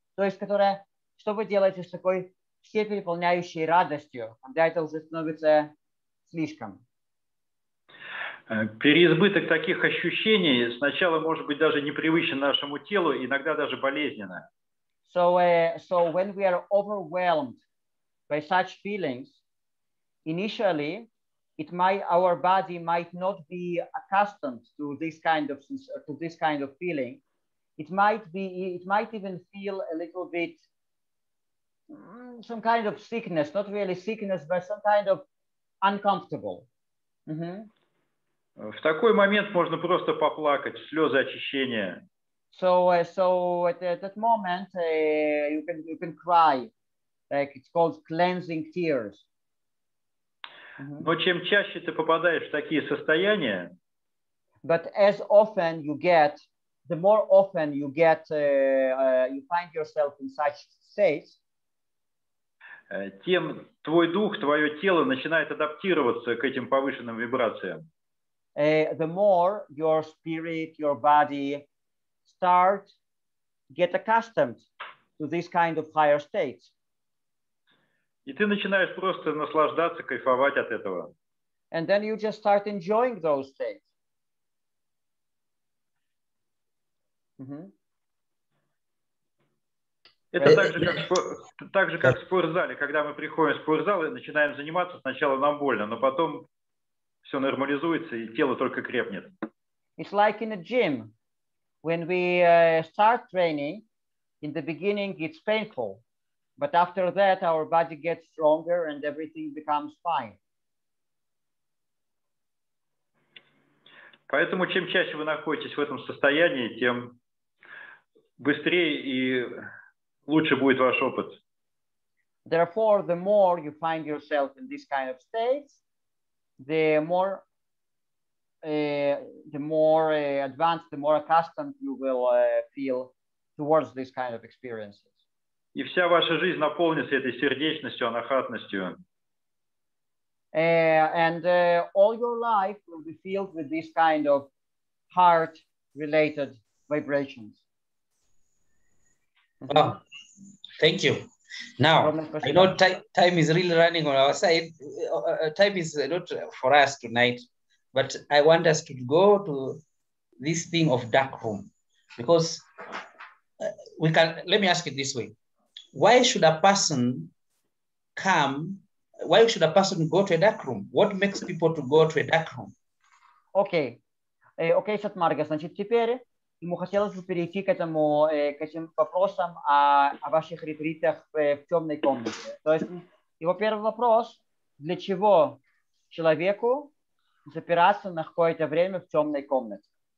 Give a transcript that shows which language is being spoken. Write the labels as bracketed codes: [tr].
[ru] То есть которая, что вы делаете с такой всепереполняющей радостью, когда это уже становится слишком? Переизбыток таких ощущений сначала может быть даже непривычен нашему телу, иногда даже болезненно. [en] So when we are overwhelmed by such feelings, initially, our body might not be accustomed to this kind of feeling. It might even feel a little bit some kind of sickness, not really sickness, but some kind of uncomfortable. Mm-hmm. [ru] В такой момент можно просто поплакать, слезы очищения. [en] So at that moment, you can cry, like it's called cleansing tears. [ru] Но чем чаще ты попадаешь в такие состояния, [en] but as often you get, the more often you get, you find yourself in such states, [ru] тем твой дух, твое тело начинает адаптироваться к этим повышенным вибрациям. [en] The more your spirit, your body start get accustomed to this kind of higher states. [ru] И ты начинаешь просто наслаждаться, кайфовать от этого. [en] And then you just start enjoying those things. Mm-hmm. [ru] Это так же, как в спортзале. Когда мы приходим в спортзал и начинаем заниматься, сначала нам больно, но потом все нормализуется и тело только крепнет. [en] It's like in a gym. When we start training, in the beginning it's painful. But after that, our body gets stronger and everything becomes fine. [ru] Поэтому чем чаще вы находитесь в этом состоянии, тем быстрее и лучше будет ваш опыт. [en] Therefore, the more you find yourself in this kind of state, the more advanced, the more accustomed you will feel towards this kind of experience. [ru] И вся ваша жизнь наполнится этой сердечностью, анахатностью. [en] All your life will be filled with this kind of heart-related vibrations. Mm-hmm. Thank you. Now, I know time is really running on our side. Time is not for us tonight, but I want us to go to this thing of dark room, because we can. Let me ask it this way: why should a person come? Why should a person go to a dark room? What makes people to go to a dark room? Okay. [ru] Окей, сейчас, Марга, значит, теперь ему хотелось бы перейти к этому, к этим вопросам о ваших ретритах в темной комнате. То есть его первый вопрос: для чего человеку запираться на какое-то время в темной комнате?